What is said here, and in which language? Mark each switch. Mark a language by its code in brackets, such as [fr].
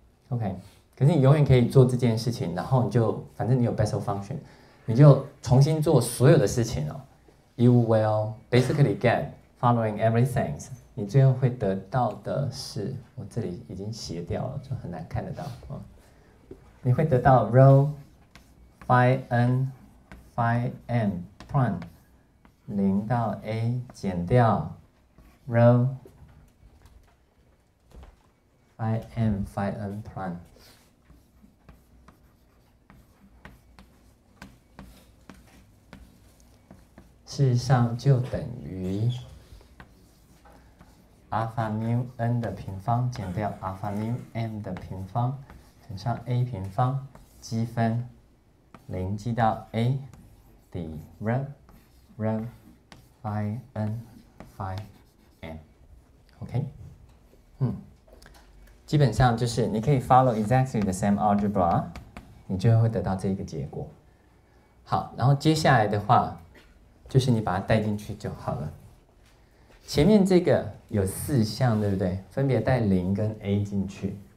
[zh] OK， 可是你永远可以做这件事情，然后你就反正你有 Bessel function， 你就重新做所有的事情哦。 [en] You will basically get following everything。 [zh] 你最后会得到的是，我这里已经斜掉了，就很难看得到哦。你会得到 rho phi n phi m prime 零到 a 减掉 rho。 I am phi n prime， 事实上就等于 alpha nu n 的平方减掉 alpha nu m 的平方乘上 a 平方积分零积到 a 的 rho rho phi n phi m， OK， 嗯。基本上就是你可以 [en] follow exactly the same algebra， [zh] 你就会得到这一个结果。好，然后接下来的话就是你把它带进去就好了。前面这个有四项，对不对？分别带0跟 a 进去。